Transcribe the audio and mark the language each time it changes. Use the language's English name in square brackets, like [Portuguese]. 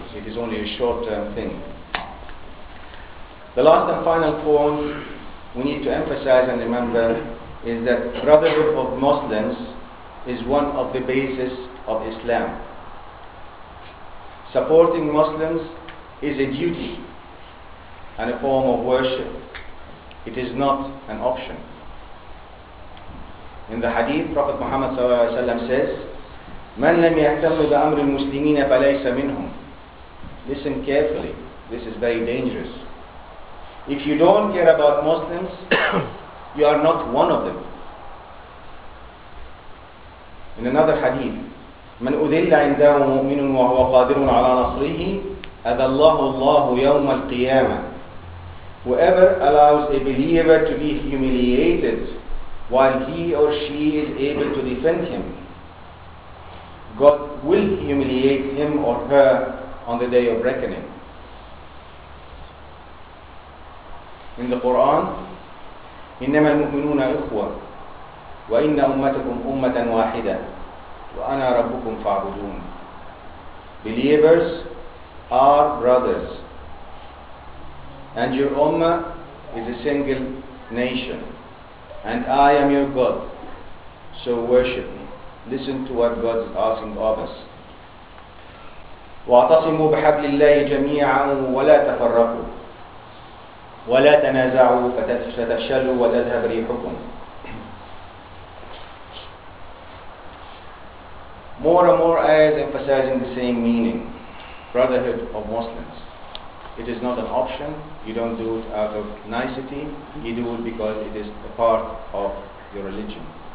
[English] It is only a short-term thing. The last and final point we need to emphasize and remember is that brotherhood of Muslims is one of the bases of Islam. Supporting Muslims is a duty and a form of worship. It is not an option. In the hadith, Prophet Muhammad says, [Arabic] مَنْ لَمْ يَهْتَمُّ بِأَمْرِ الْمُسْلِمِينَ فَلَيْسَ مِنْهُمْ [English] Listen carefully. This is very dangerous. If you don't care about Muslims, you are not one of them. In another hadith, [Arabic] من أذل عنده مؤمن وهو قادر على نصره أذله الله يوم القيامة. [English] Whoever allows a believer to be humiliated while he or she is able to defend him, God will humiliate him or her on the day of reckoning. In the Quran, [Arabic] إنما المؤمنون إخوة وإن أمتكم أمة واحدة وأنا ربكم فاعبدون. [English] Believers are brothers, and your ummah is a single nation, and I am your God, so worship me. Listen to what God is asking of us. [Arabic] واعتصموا بحبل الله جميعا ولا تفرقوا ولا تنازعوا فتفشلوا وتذهب ريحكم. [English] More and more ayahs emphasizing the same meaning, brotherhood of Muslims. It is not an option. You don't do it out of nicety. You do it because it is a part of your religion.